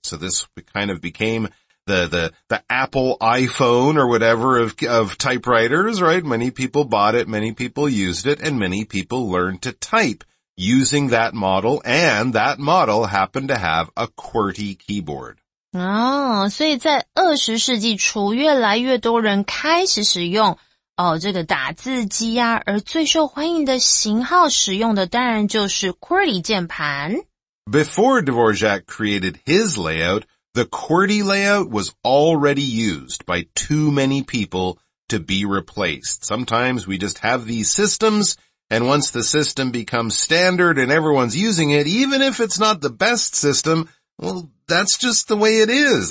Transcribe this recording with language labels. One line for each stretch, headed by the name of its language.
English: So this kind of became the Apple iPhone or whatever of typewriters, right? Many people bought it, many people used it, and many people learned to type using that model, and that model happened to have a QWERTY keyboard.
Chinese: 哦，所以在20世纪初，越来越多人开始使用哦这个打字机啊，而最受欢迎的型号使用的当然就是 QWERTY 键盘。
English: Before Dvorak created his layout, the QWERTY layout was already used by too many people to be replaced. Sometimes we just have these systems, and once the system becomes standard and everyone's using it, even if it's not the best system, well, that's just the way it is.